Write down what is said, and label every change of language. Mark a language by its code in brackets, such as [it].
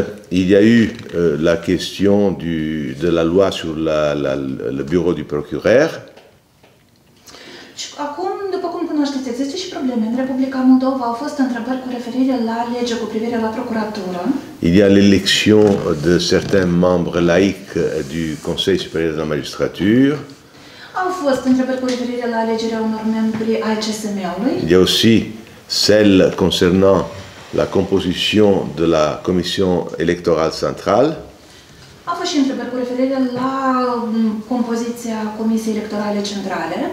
[fr] Il y a eu la question de la loi sur le bureau du procureur. [ro] Și acum, după cum cunoașteți, există și probleme. În Republica Moldova au fost întrebări cu referire la lege cu privire la procuratură. [fr] Il y a l'élection de certains membres laïcs du Conseil supérieur de la magistrature. [ro] Au fost întrebări cu referire la alegerea unor membri ai CSM-ului. [fr] Il y a aussi celle concernant la composition de la Commission électorale centrale. [ro] A fost și întrebări cu referire la compoziția Comisiei Electorale Centrale.